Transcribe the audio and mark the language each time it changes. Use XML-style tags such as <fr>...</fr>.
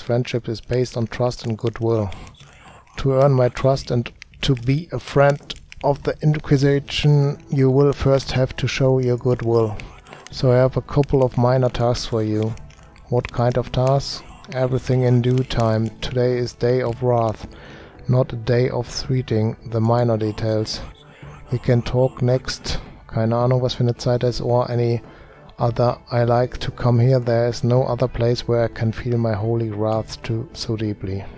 <en>Friendship is based on trust and goodwill. To earn my trust and to be a friend of the Inquisition, you will first have to show your goodwill. So I have a couple of minor tasks for you. What kind of tasks? Everything in due time. Today is day of wrath, not a day of treating the minor details. We can talk next.</en> <de>Keine Ahnung, was für eine Zeit ist,</de> <en>or any other. I like to come here. There is no other place where I can feel my holy wrath too so deeply.</en>